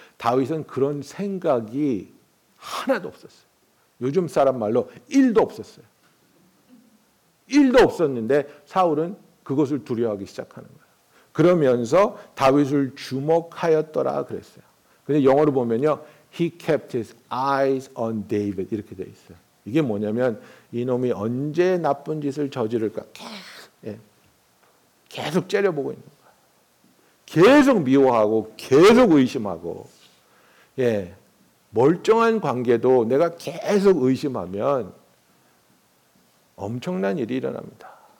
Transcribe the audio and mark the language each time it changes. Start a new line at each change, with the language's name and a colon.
Korean: 다윗은 그런 생각이 하나도 없었어요. 요즘 사람 말로 1도 없었어요. 1도 없었는데 사울은 그것을 두려워하기 시작하는 거예요. 그러면서 다윗을 주목하였더라 그랬어요. 근데 영어로 보면요.
English: He kept his eyes on David.
Korean: 이렇게 돼 있어요. 이게 뭐냐면 이놈이 언제 나쁜 짓을 저지를까? 계속 째려보고 있는 거야. 계속 미워하고 계속 의심하고. 예, 멀쩡한 관계도 내가 계속 의심하면 엄청난 일이 일어납니다.